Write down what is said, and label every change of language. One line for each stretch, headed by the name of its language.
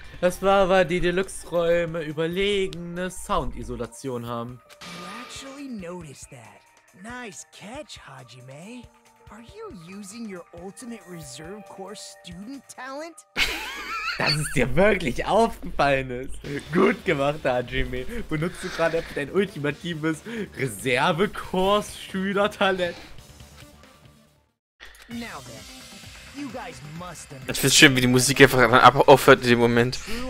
German: Das war, weil die Deluxe-Räume überlegene Soundisolation haben.
English: You actually noticed that. Nice catch, Hajime. Are you using your ultimate reserve core student talent?
German: Dass es dir wirklich aufgefallen ist. Gut gemacht, Hajime. Benutzt du gerade dein ultimatives Reserve-Course-Schüler-Talent?
English: Now then, you guys must understand.
German: Ich find's schön, wie die Musik einfach aufhört in dem Moment.